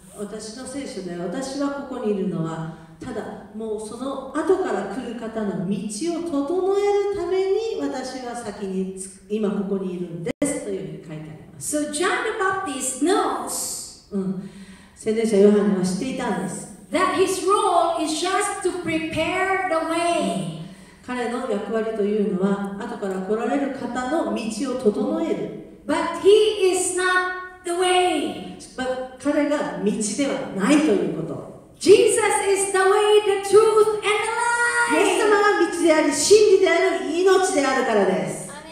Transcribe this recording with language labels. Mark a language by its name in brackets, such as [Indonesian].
[Japanese] 私の聖書では私はここにいるのはただもうその後から来る方の道を整えるために私は先に今ここにいるんですというふうに書いてあります。 [English] So John the Baptist knows、 [Japanese] 聖霊者ヨハネは知っていたんです。 [English] That his role is just to prepare the way、 [Japanese] 彼の役割というのは後から来られる方の道を整える。 [English] But he is notThe way. [Japanese] 彼が道ではないということ。 [English] Jesus is the way, the truth, and the life. [Japanese] イエス様が道であり真理である命であるからです。